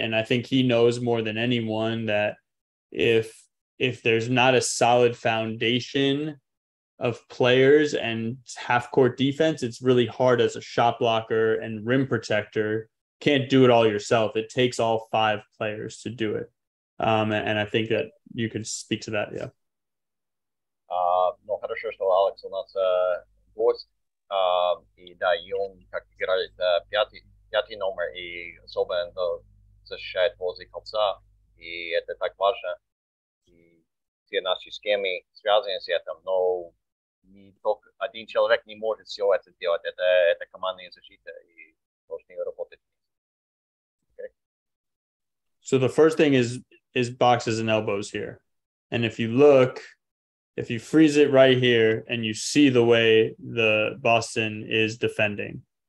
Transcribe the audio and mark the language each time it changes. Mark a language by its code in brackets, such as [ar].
[en] And I think he knows more than anyone that if there's not a solid foundation of players and half-court defense, it's really hard as a shot blocker and rim protector. Can't do it all yourself. It takes all 5 players to do it. And I think that you could speak to that, yeah. [uk] Хорошо, що Алекс у нас гость. Він так грає п'ятий номер, і особливо защищає возле кольца. І це так важливо. І всі наші схеми зв'язані з цим. Но ні тільки один чоловік не може все це зробити. Це командна защита, і можна робити. [en] So the first thing is boxes and elbows here. And if you look, if you freeze it right here and you see the way the Boston is defending.